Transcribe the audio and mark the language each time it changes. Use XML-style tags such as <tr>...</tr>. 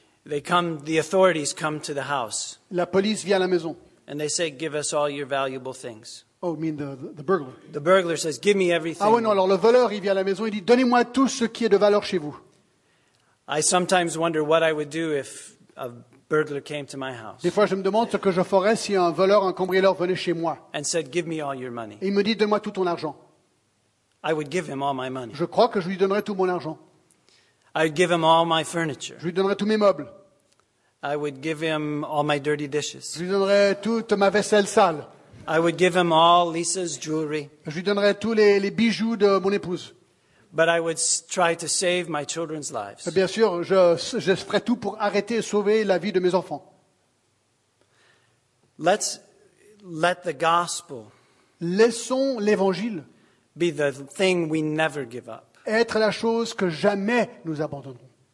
<en>They come, the authorities come to the house.</en> <fr>La police vient à la maison.</fr> <en>And they say, give us all your valuable things. Oh, you mean the burglar. The burglar says, give me everything.</en> <fr>Ah ouais, non, alors le voleur, il vient à la maison, il dit, donnez-moi tout ce qui est de valeur chez vous.</fr> <en>I sometimes wonder what I would do if a burglar came to my house.</en> <fr>Des fois, je me demande ce que je ferais si un voleur, un cambrioleur venait chez moi.</fr> <en>And said, give me all your money.</en> <fr>Et il me dit, donne-moi tout ton argent.</fr> <en>I would give him all my money.</en> <fr>Je crois que je lui donnerais tout mon argent.</fr> <en>I would give him all my furniture.</en> <fr>Je lui donnerais tous mes meubles.</fr> <en>I would give him all my dirty dishes.</en> <fr>Je lui donnerais toute ma vaisselle sale.</fr> <en>I would give him all Lisa's jewelry.</en> <fr>Je lui donnerais tous les bijoux de mon épouse.</fr> <en>But I would try to save my children's lives.</en> <fr>Bien sûr, je ferais tout pour arrêter et sauver la vie de mes enfants.</fr> <en>Let's let the gospel.</en> <fr>Laissons l'évangile.</fr> <en>Be the thing we never give up.</en> <fr>Être la chose que jamais nous abandonnerons.</fr>